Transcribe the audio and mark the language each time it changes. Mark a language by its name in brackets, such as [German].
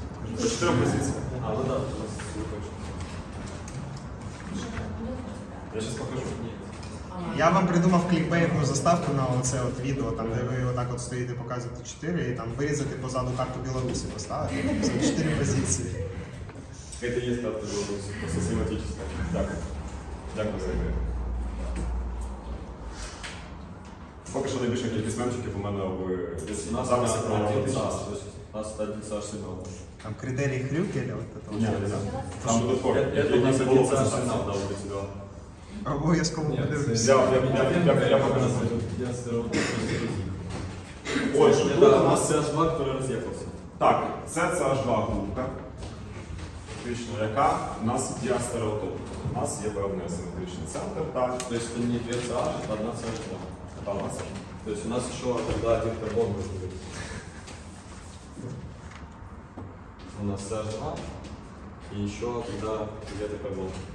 [Ukrainian] покажу. 4 позиції. А, ну так, у нас слухаєш. Я зараз покажу. Я вам придумав клікбейтну заставку на оце от відео, там, де ви отак от стоїте, показуєте 4, і там вирізати позаду карту Білорусі поставити. 4 позиції. [Russian] Это и есть карта Беларуси, просто схематическая. Так. Так, дорогие. [Ukrainian] Поки что найбільша кількість мемчиків у мене в... [Russian] У нас там все про один ЦАЖ. У нас там один ЦАЖ сигнал. Там критерии хрюки или вот это? Нет, нет. Там будет фор. Это у нас один ЦАЖ сигнал, да, вот эти два. А вы я с кого подивлюсь? Я пока не знаю. Я с первого просто разъехал. Ой, что это? У нас ЦАЖ-2, который разъехался. [Ukrainian] Так, це ЦАЖ-2 губка. Яка у нас діастереотопна. У нас є певний асиметричний центр. Так. Тобто не 2 ЦАЖ, а 1 ЦАЖ. Тобто у нас ще тоді один карбон може бути. У нас ЦАЖ 2 і ще тоді є карбон.